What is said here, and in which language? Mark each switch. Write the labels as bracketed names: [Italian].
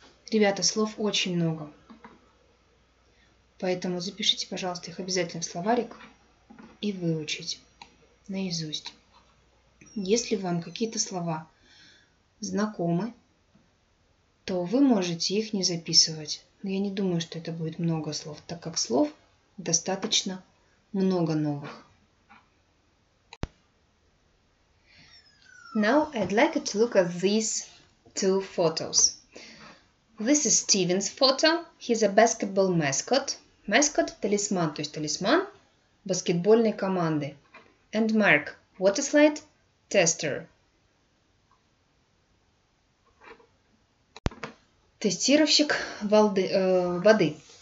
[Russian] Ребята, слов очень много. Поэтому запишите, пожалуйста, их обязательно в словарик и выучите наизусть. Если вам какие-то слова знакомы, то вы можете их не записывать. Но я не думаю, что это будет много слов, так как слов достаточно много новых. [English] Now I'd like to look at these two photos. This is Steven's photo. He's a basketball mascot. [Russian] Mascot – талисман, то есть талисман баскетбольной команды. [English] And Mark – water slide tester. [Russian] Тестировщик воды.